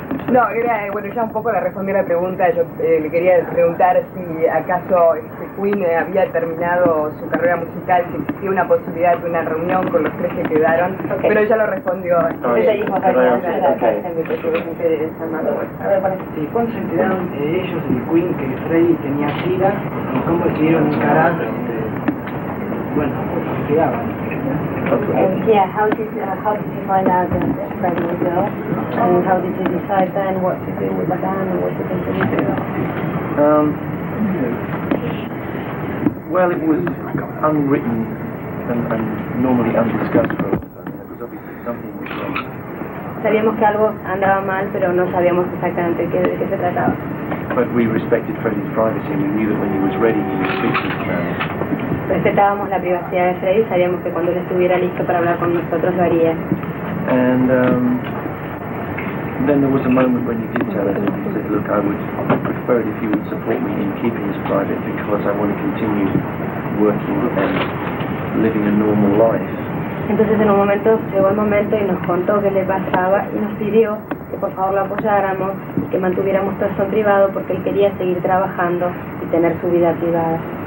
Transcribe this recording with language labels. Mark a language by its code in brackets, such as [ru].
[es] No, era, bueno, ya un poco le respondí a la pregunta. Yo le quería preguntar si acaso Queen había terminado su carrera musical, si existía una posibilidad de una reunión con los tres que quedaron, [en] okay. [es] Pero ya lo respondió. [en] Okay. Okay. Okay. [es] Sí, ¿cuándo se enteraron de ellos de Queen que Freddy tenía gira y cómo decidieron encarar [en] Yeah, how did you find out that Freddie was ill, and how did you decide then what to do with the band and what to continue to do? Well, it was unwritten and normally undiscussed. I mean, it was obviously something was wrong. [es] Sabíamos que algo andaba mal, pero no sabíamos exactamente de qué se trataba. [en] But we respected Freddie's privacy. We knew that when he was ready, he would speak to the band. [es] Respetábamos la privacidad de Freddy, sabíamos que cuando él estuviera listo para hablar con nosotros lo haría. [en] And then there was a moment when he did tell us, and he said, look, I would prefer it if you would support me in keeping this private, because I want to continue working and living a normal life. [es] Entonces en un momento llegó el momento y nos contó qué le pasaba y nos pidió que por favor lo apoyáramos y que mantuviéramos todo eso en privado porque él quería seguir trabajando y tener su vida privada.